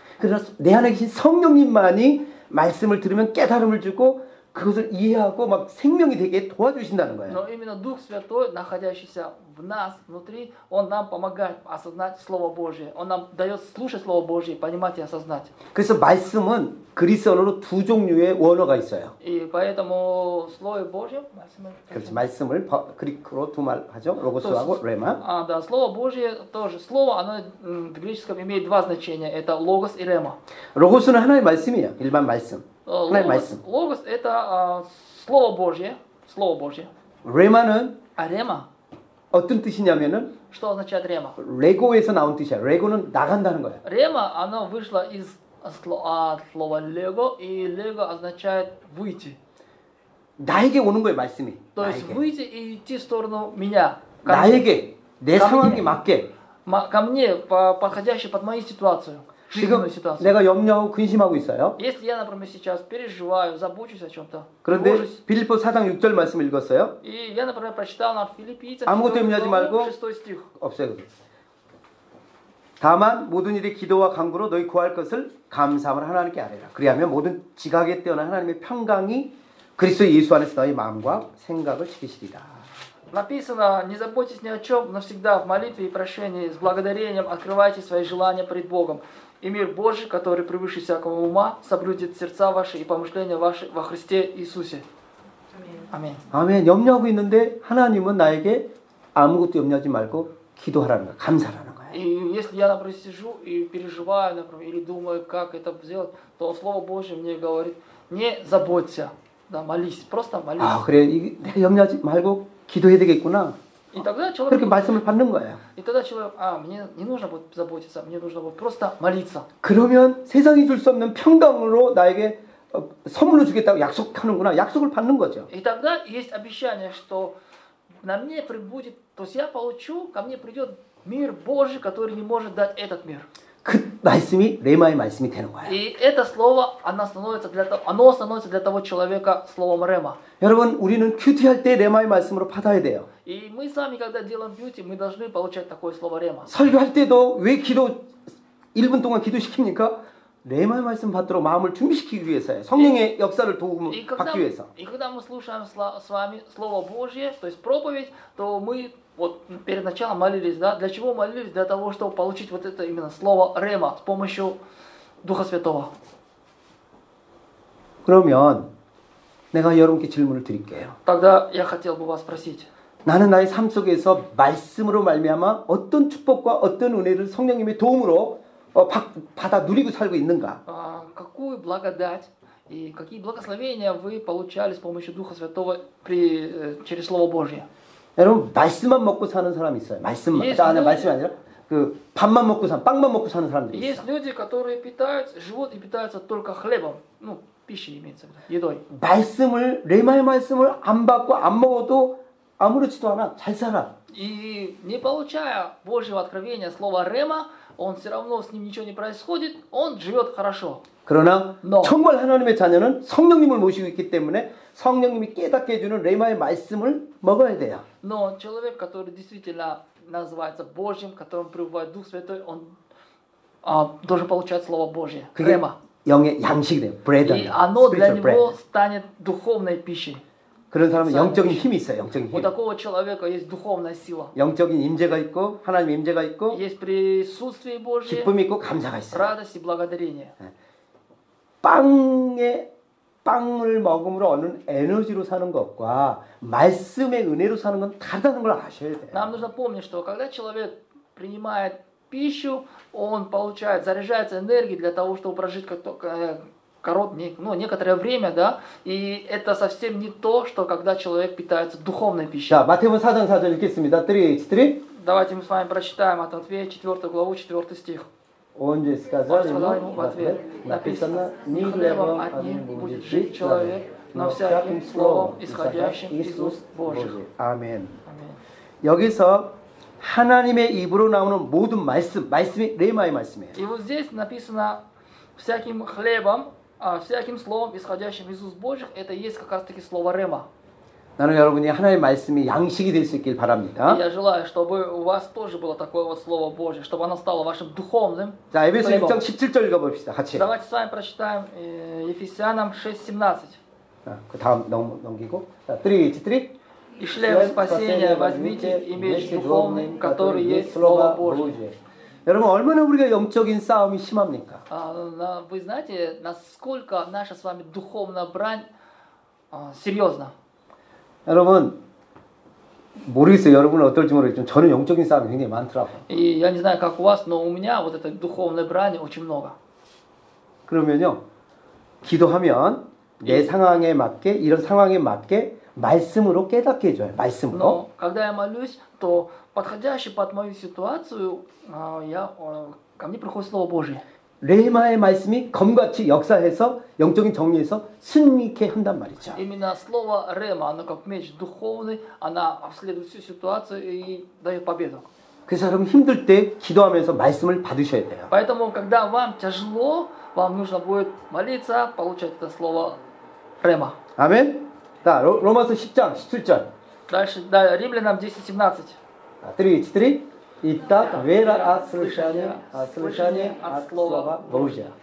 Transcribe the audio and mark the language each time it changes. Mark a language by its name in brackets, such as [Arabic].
[Korean] 그래서 내 안에 계신 성령님만이 말씀을 들으면 깨달음을 주고 그것을 이해하고 막 생명이 되게 도와주신다는 거예요. [Russian] Но именно Дух Святой, находящийся в нас внутри, он нам помогает осознать Слово Божье. Он нам дает слушать Слово Божье, понимать и осознать. [Korean] 그래서 말씀은 그리스어로 두 종류의 원어가 있어요. [Russian] И поэтому Слово Божье, [Korean] 말씀을. 그렇지, 말씀을 그리스어로 두 말 하죠. Логос하고 Рема. [Russian] 아, да, Слово Божье тоже. Слово, оно в греческом имеет два значения. Это Логос и Рема. [Korean] Логос은 하나의 말씀이에요. 일반 말씀. [Russian] Логос – это Слово Божье. Слово Божье. [Korean] Рема는? [Russian] А Рема? [Korean] 어떤 뜻이냐면은? [Russian] Что означает Рема? [Korean] Лего에서 나온 뜻이야. Лего는 나간다는 거야. [Russian] Рема, оно вышло из слова Лего, и Лего означает выйти. [Korean] 나에게 오는 거예요, 말씀이. [Russian] То есть вы идти в сторону меня. [Korean] 나에게 내 상황에 맞게. [Russian] Ко мне подходящий под мою ситуацию. [Korean] 지금 내가 염려하고 근심하고 있어요. [Russian] Если я, например, сейчас переживаю, забочусь о чём-то. [Korean] 그런데 빌립보 4장 6절 말씀 읽었어요. [Russian] И я, например, прочитал на Филиппийцев. [Korean] 아무것도 염려하지 말고. 없어요. 다만 모든 일에 기도와 간구로 너희 구할 것을 감사함으로 하나님께 아뢰라. 그리하면 모든 지각에 뛰어난 하나님의 평강이 그리스도 예수 안에서 너희 마음과 생각을 지키시리라. [Russian] Написано: не заботьтесь ни о чем, но всегда в молитве и прошении с благодарением открывайте свои желания пред Богом. И мир Божий, который превыше всякого ума, соблюдет сердца ваши и помышления ваши во Христе Иисусе. Аминь. Аминь. [Korean] 염려하고 있는데 하나님은 나에게 아무것도 염려하지 말고 기도하라는 거야. 감사하라는 거야. [Russian] И если я, например, сижу и переживаю, например, или думаю, как это сделать, то Слово Божье мне говорит: не заботься, да, молись, просто молись. [Korean] 아, 그래. 내가 염려하지 말고 기도해야 되겠구나. 이따가 그렇게 말씀을 받는 거야. 이따가 [Russian] человек, 아, мне не нужно будет заботиться, мне нужно будет просто молиться. [Korean] 그러면 세상이 줄 수 없는 평강으로 나에게 선물로 주겠다고 약속하는구나. 약속을 받는 거죠. 이따가 [Russian] есть обещание, что на мне прибудет, то есть я получу, ко мне придет мир Божий, который не может дать этот мир. [Korean] 그 말씀이 레마의 말씀이 되는 거야. [Russian] И это слово, оно становится для того человека словом рема. [Korean] 여러분, 우리는 큐티할 때 레마의 말씀으로 받아야 돼요. [Russian] И мы сами, когда делаем бьюти, мы должны получать такое слово рема. [Korean] 설교할 때도 왜 기도 1분 동안 기도시킵니까? 레마의 말씀 받도록 마음을 준비시키기 위해서요. 성령의 역사를 도움 받기 위해서. [Russian] И когда мы слушаем с вами слово Божье, то есть проповедь, то мы вот перед началом молились, да? Для чего молились? Для того, чтобы получить вот это именно слово рема с помощью Духа Святого. [Korean] 그러면 내가 여러분께 질문을 드릴게요. [Russian] Тогда я хотел бы вас спросить. [Korean] 나는 나의 삶 속에서 말씀으로 말미암아 어떤 축복과 어떤 은혜를 성령님의 도움으로 받아 누리고 살고 있는가? [Russian] 아, какую благодать и какие благословения вы получали с помощью Духа Святого при через слово Божье? [Korean] 여러분 말씀만 먹고 사는 사람 있어요. 말씀만. 아, 아니, 말씀이 아니라 그 밥만 먹고 사는, 빵만 먹고 사는 사람들이 있어요. [Russian] Есть люди, которые питаются, живут и питаются только хлебом. Ну, пищей имеется в виду, едой. [Korean] 말씀을 레마의 말씀을 안 받고 안 먹어도 아무렇지도 않아. 잘 살아. [Russian] И не получая Божьего откровения слова рема, он всё равно с ним ничего не происходит. Он живёт хорошо. [Korean] 그러나 [Russian] Но. [Korean] 정말 하나님의 자녀는 성령님을 모시고 있기 때문에 성령님이 깨닫게 해주는 레마의 말씀을 먹어야 돼요. [Russian] Но человек, который действительно называется Божьим, которым пребывает Дух Святой, он должен получать Слово Божье. [Korean] 그게 [Russian] рема. [Korean] 영의 양식이래. Bread. [Russian] И оно для него bread. Станет духовной пищей. [Korean] 그런 사람은 영적인 힘이 있어요. 영적인 힘. [Russian] У такого человека есть духовная сила. [Korean] 영적인 임재가 있고 하나님 임재가 있고. [Russian] Есть присутствие Божье. [Korean] 기쁨 있고 감사가 있어요. [Russian] Радость и благодарение. [Korean] 빵에 빵을 먹음으로 얻는 에너지로 사는 것과 말씀의 은혜로 사는 건 다르다는 걸 아셔야 돼요. [Russian] Нам нужно помнить, что когда человек принимает пищу, он получает, заряжается энергией для того, чтобы прожить некоторое время, да, и это совсем не то, что когда человек питается духовной пищей. [Korean] 자, 마태복음 4장 4절 읽겠습니다. 3:3. [Russian] Давайте мы с вами прочитаем от Матфея 4 главу 4 стих. Он же сказал ему, в ответ, написано, не хлебом одним будет жить человек, но всяким словом, исходящим из уст Божьих. Аминь. [Korean] 여기서 하나님의 입으로 나오는 모든 말씀, 말씀이 레마의 말씀이에요. [Russian] И вот здесь написано, всяким хлебом, всяким словом, исходящим из уст Божьих, это есть как раз таки слово рема. [Korean] 나는 여러분이 하나님의 말씀이 양식이 될 수 있길 바랍니다. [Russian] Я желаю, чтобы у вас тоже было такое вот слово Божье, чтобы оно стало вашим духовным. [Korean] 자, 에베소 6장 17절 읽어봅시다. 같이. [Russian] Давайте с вами прочитаем Ефесянам 6:17. [Korean] 아, 그 다음 넘기고. 자, 3:3. [Russian] И шлем спасения возьмите и меч духовный, который есть слово Божье. [Korean] 여러분 얼마나 우리가 영적인 싸움이 심합니까? [Russian] 아, вы знаете, насколько наша с вами духовная брань серьёзна. [Korean] 여러분 모르겠어요. 여러분은 어떨지 모르겠지만 저는 영적인 싸움이 굉장히 많더라고. [Russian] И я не знаю, как у вас, но у меня вот эта духовная брань очень много. [Korean] 그러면요. 기도하면 내 상황에 맞게 이런 상황에 맞게 말씀으로 깨닫게 해 줘요. 말씀으로. [Russian] Но когда я молюсь, то подходящий под мою ситуацию, ко мне приходит слово Божье. [Korean] 레마의 말씀이 검같이 역사해서 영적인 정리해서 승리케 한단 말이죠. [Russian] Именно слово рема, оно как меч духовный, она обследует всю ситуацию и даёт победу. [Korean] 그래서 여러분 힘들 때 기도하면서 말씀을 받으셔야 돼요. [Russian] Поэтому когда вам тяжело, вам нужно будет молиться, получать это слово рема. [Korean] 아멘. 자, 로마서 10장 17절. [Russian] Дальше, да, Римлянам 10:17. 3:3. Итак, вера от слышания, от слышания, от слова Божия.